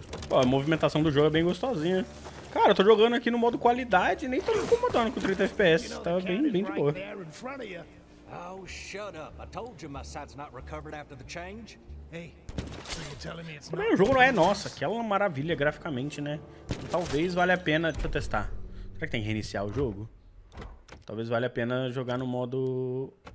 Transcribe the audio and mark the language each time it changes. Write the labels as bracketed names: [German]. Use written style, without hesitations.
[Portuguese] Pô, a movimentação do jogo é bem gostosinha. Cara, eu tô jogando aqui no modo qualidade, nem tô me incomodando com 30 FPS. Tava bem de boa. [English] Oh, shut up. I told you my side's not recovered after the change. Hey. [Portuguese] Mas o jogo não é nossa, aquela maravilha graficamente, né? Então, talvez valha a pena. Deixa eu testar. Será que tem que reiniciar o jogo? Talvez valha a pena jogar no modo.